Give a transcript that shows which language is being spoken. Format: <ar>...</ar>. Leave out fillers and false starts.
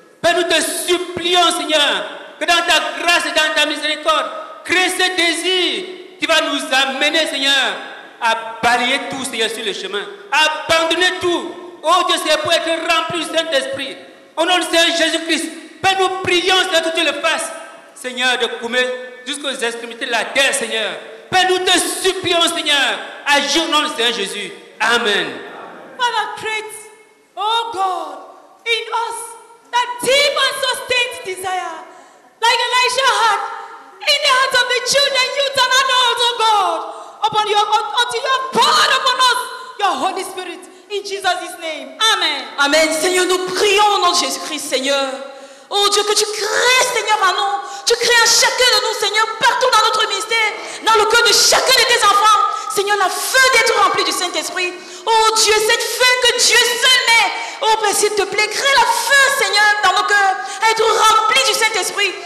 <fr>Père, nous te supplions, Seigneur, que dans ta grâce et dans ta miséricorde, crée ce désir qui va nous amener, Seigneur, à balayer tout, Seigneur, sur le chemin, à abandonner tout. Oh Dieu, c'est pour être rempli du Saint-Esprit. Au nom du Seigneur Jésus-Christ, Père, nous prions, Seigneur, que tu le fasses, Seigneur, de coumer jusqu'aux extrémités de la terre, Seigneur. Père, nous te supplions, Seigneur, agis au nom du Seigneur Jésus. Amen.</fr> <en>Father, create, oh God, in us that deep and sustained desire, like Elisha had in the hearts of the children, youth, and adults, oh God, upon your until you pour upon us your Holy Spirit in Jesus' name. Amen. Amen.</en> <fr>Seigneur, nous prions au nom de Jésus-Christ, Seigneur. Oh Dieu, que tu crées, Seigneur, à nous. Tu crées à chacun de nous, Seigneur, partout dans notre ministère, dans le cœur de chacun de tes enfants. Seigneur, la feu d'être rempli du Saint-Esprit. Oh Dieu, cette feu que Dieu seul met. Oh Père, s'il te plaît, crée la feu, Seigneur, dans nos cœurs, à être rempli du Saint-Esprit.</fr>